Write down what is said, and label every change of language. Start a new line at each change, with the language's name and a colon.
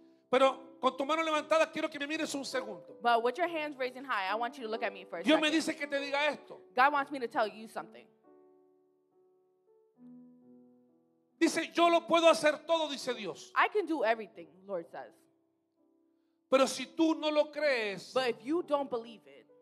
Spanish: Pero con tu mano levantada quiero que me mires un segundo.
English: But with your hands raising high, I want you to look at me for a
Spanish: Dios
English: second.
Spanish: Me dice que te diga esto.
English: God wants me to tell you something.
Spanish: Dice, yo lo puedo hacer todo, dice Dios.
English: I can do everything, Lord says.
Spanish: Pero si tú no lo crees,
English: but if you don't believe it,